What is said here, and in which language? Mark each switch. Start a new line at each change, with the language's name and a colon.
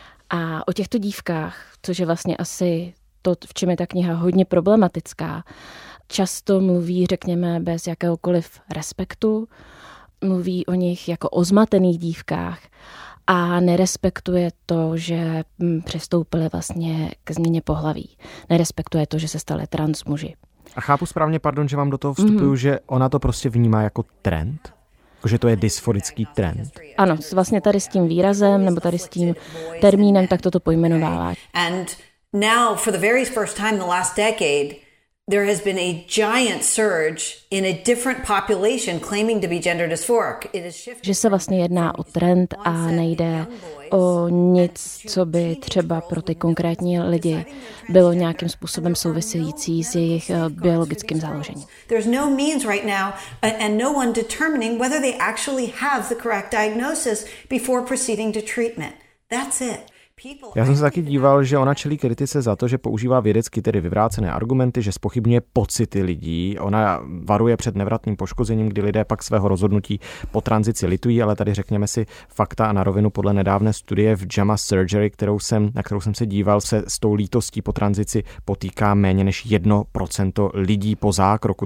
Czech: A o těchto dívkách, což je vlastně asi to, v čem je ta kniha hodně problematická, často mluví, řekněme, bez jakéhokoliv respektu, mluví o nich jako o zmatených dívkách, a nerespektuje to, že přistoupili vlastně k změně pohlaví. Nerespektuje to, že se stali trans muži. A chápu správně, pardon, že vám do toho vstupuju, že ona to prostě vnímá jako trend? Že to je dysforický trend? Ano, vlastně tady s tím výrazem nebo tady s tím termínem tak toto pojmenovává.
English: And now for the very first time in the last decade there has been a giant surge in a different population claiming to be gender dysphoric. It is shifting.
Czech: Že se vlastně jedná o trend a nejde o nic, co by třeba pro ty konkrétní lidi bylo nějakým způsobem související s jejich biologickým založením.
English: There's no means right now and no one determining whether they actually have the correct diagnosis before proceeding to treatment. That's it.
Czech: Já jsem se taky díval, že ona čelí kritice za to, že používá vědecky tedy vyvrácené argumenty, že zpochybňuje pocity lidí. Ona varuje před nevratným poškozením, kdy lidé pak svého rozhodnutí po tranzici litují, ale tady řekněme si fakta a na rovinu, podle nedávné studie v JAMA Surgery, na kterou jsem se díval, se s tou lítostí po tranzici potýká méně než 1% lidí po zákroku.